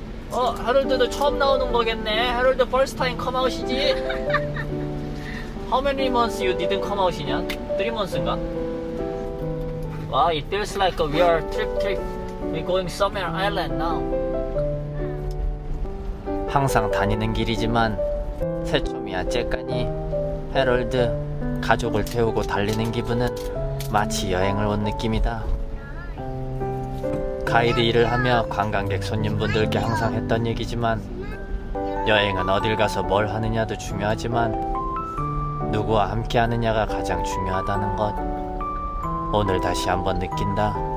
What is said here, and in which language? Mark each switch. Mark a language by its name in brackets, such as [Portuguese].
[Korean] 어, 하롤드도 처음 나오는 거겠네. [English] 하롤드 first time come out이지? How many months you didn't come out이냐? 3 months인가? Wow, it feels like we are trip. We're going somewhere island now. [Korean] 항상 다니는 길이지만 새초미와 잭가니, 해럴드, 가족을 태우고 달리는 기분은 마치 여행을 온 느낌이다. 가이드 일을 하며 관광객 손님분들께 항상 했던 얘기지만 여행은 어딜 가서 뭘 하느냐도 중요하지만 누구와 함께 하느냐가 가장 중요하다는 것 오늘 다시 한번 느낀다.